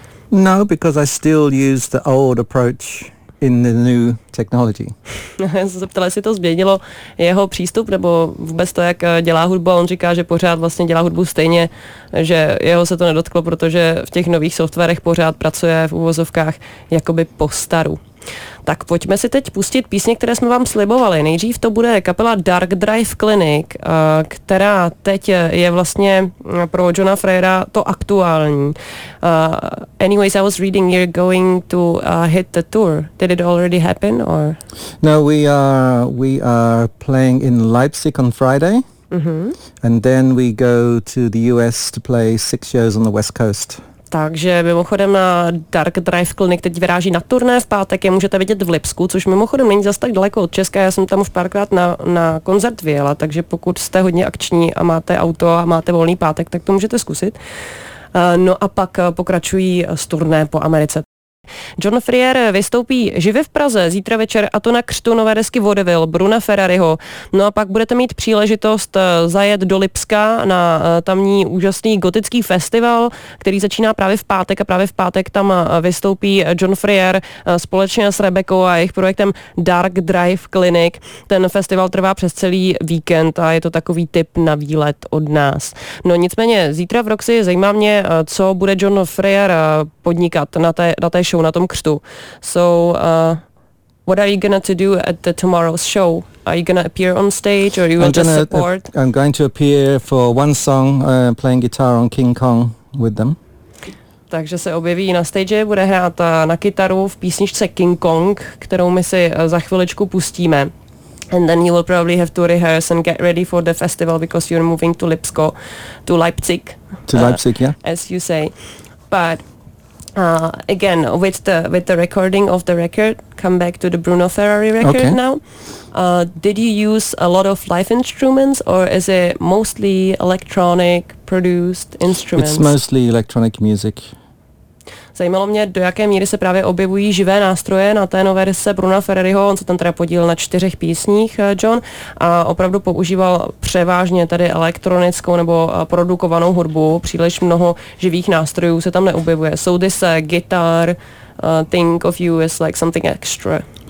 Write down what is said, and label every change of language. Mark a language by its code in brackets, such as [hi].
[en] No, because I still use the old approach in the new technology. [cs] Já jsem se ptala, jestli to změnilo jeho přístup, nebo vůbec to, jak dělá hudbu. On říká, že pořád vlastně dělá hudbu stejně, že jeho se to nedotklo, protože v těch nových softwarech pořád pracuje v uvozovkách jakoby po staru. Tak pojďme si teď pustit písně, které jsme vám slibovali. Nejdřív to bude kapela Dark Drive Clinic, která teď je vlastně pro Johna Freyra to aktuální. [en] Anyways, I was reading you're going to hit the tour. Did it already happen? Or? No, we are playing in Leipzig on Friday. Mm-hmm. And then we go to the US to play 6 shows on the West Coast. [cs] Takže mimochodem na Dark Drive Clinic teď vyráží na turné, v pátek je můžete vidět v Lipsku, což mimochodem není zas tak daleko od Česka, já jsem tam už párkrát na koncert vyjela, takže pokud jste hodně akční a máte auto a máte volný pátek, tak to můžete zkusit. No a pak pokračují s turné po Americe. John Freyr vystoupí živě v Praze zítra večer, a to na křtu nové desky Vaudeville Bruna Ferrariho. No a pak budete mít příležitost zajet do Lipska na tamní úžasný gotický festival, který začíná právě v pátek, a právě v pátek tam vystoupí John Freyr společně s Rebekou a jejich projektem Dark Drive Clinic. Ten festival trvá přes celý víkend a je to takový tip na výlet od nás. No nicméně zítra v Roxy zajímá mě, co bude John Freyr podnikat na té show, na tom křtu. [en] So, what are you going to do at the tomorrow's show? Are you going to appear on stage, or you will just support? I'm going to appear for one song, playing guitar on King Kong with them. [cs] Takže se objeví na stage, bude hrát na kytaru v písničce King Kong, kterou my si za chviličku pustíme. [en] And then you will probably have to rehearse and get ready for the festival, because you're moving to Lipsko, to Leipzig. To Leipzig, yeah. As you say. But again, with the recording of the record, come back to the Bruno Ferrari record. Okay. Now, did you use a lot of live instruments, or is it mostly electronic produced instruments? It's mostly electronic music. [cs] Zajímalo mě, do jaké míry se právě objevují živé nástroje na té nové verzi Bruna Ferrariho. On se tam teda podílil na 4 písních, John, a opravdu používal převážně tady elektronickou nebo produkovanou hudbu. Příliš mnoho živých nástrojů se tam neobjevuje. [en] So this guitar thing of you is like something extra.